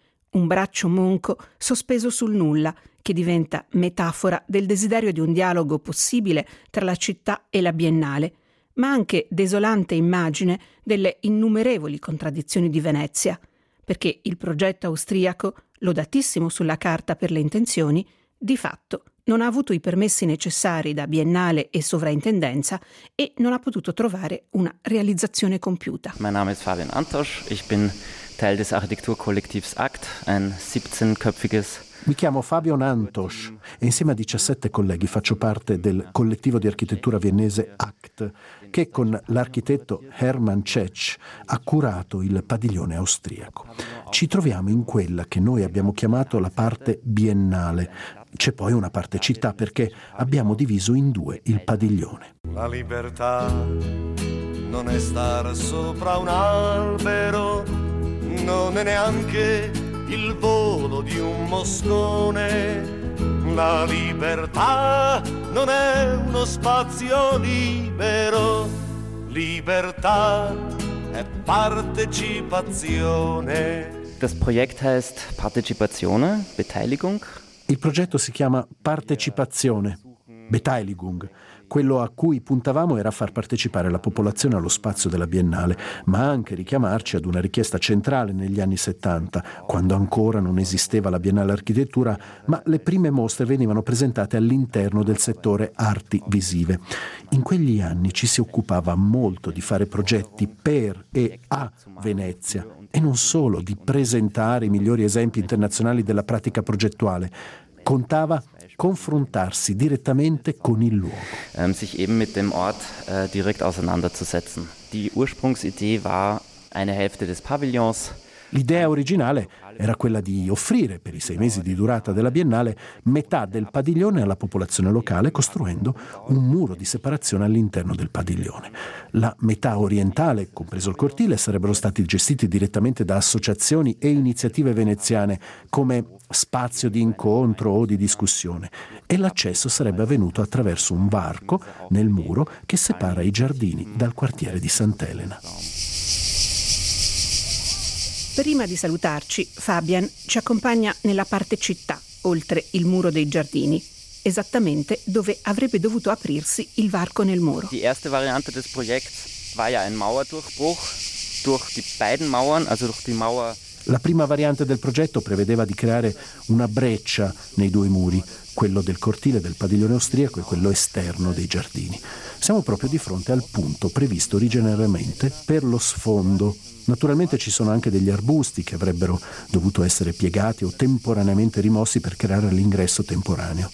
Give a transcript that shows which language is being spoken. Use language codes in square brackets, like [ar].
[it] Un braccio monco sospeso sul nulla che diventa metafora del desiderio di un dialogo possibile tra la città e la Biennale, ma anche desolante immagine delle innumerevoli contraddizioni di Venezia. Perché il progetto austriaco, lodatissimo sulla carta per le intenzioni, di fatto non ha avuto i permessi necessari da Biennale e Sovrintendenza e non ha potuto trovare una realizzazione compiuta. [de] Mein Name ist Fabian Antosch, ich bin Teil des Architekturkollektivs ACT, ein 17-köpfiges. [it] Mi chiamo Fabio Antosch e insieme a 17 colleghi faccio parte del collettivo di architettura viennese ACT, che con l'architetto Hermann Cech ha curato il padiglione austriaco. Ci troviamo in quella che noi abbiamo chiamato la parte biennale. C'è poi una parte città perché abbiamo diviso in due il padiglione. La libertà non è star sopra un albero, non è neanche il volo di un moscone. La libertà non è uno spazio libero, libertà è partecipazione. [de] Das Projekt heißt Partizipazione, Beteiligung. [it] Il progetto si chiama Partecipazione, Beteiligung. Quello a cui puntavamo era far partecipare la popolazione allo spazio della Biennale, ma anche richiamarci ad una richiesta centrale negli anni 70, quando ancora non esisteva la Biennale Architettura, ma le prime mostre venivano presentate all'interno del settore arti visive. In quegli anni ci si occupava molto di fare progetti per e a Venezia, e non solo di presentare i migliori esempi internazionali della pratica progettuale. Contava confrontarsi direttamente con il luogo. [de] Sich eben mit dem Ort direkt auseinanderzusetzen. Die Ursprungsidee war eine Hälfte des Pavillons. [it] L'idea originale era quella di offrire, per i sei mesi di durata della Biennale, metà del padiglione alla popolazione locale, costruendo un muro di separazione all'interno del padiglione. La metà orientale, compreso il cortile, sarebbero stati gestiti direttamente da associazioni e iniziative veneziane come spazio di incontro o di discussione, e l'accesso sarebbe avvenuto attraverso un varco nel muro che separa i giardini dal quartiere di Sant'Elena. Prima di salutarci, Fabian ci accompagna nella parte città, oltre il muro dei giardini, esattamente dove avrebbe dovuto aprirsi il varco nel muro. [de] Die erste Variante des Projekts war ja ein Mauerdurchbruch durch die beiden Mauern, also durch die Mauer. [it] La prima variante del progetto prevedeva di creare una breccia nei due muri, quello del cortile del padiglione austriaco e quello esterno dei giardini. Siamo proprio di fronte al punto previsto originariamente per lo sfondo. Naturalmente ci sono anche degli arbusti che avrebbero dovuto essere piegati o temporaneamente rimossi per creare l'ingresso temporaneo.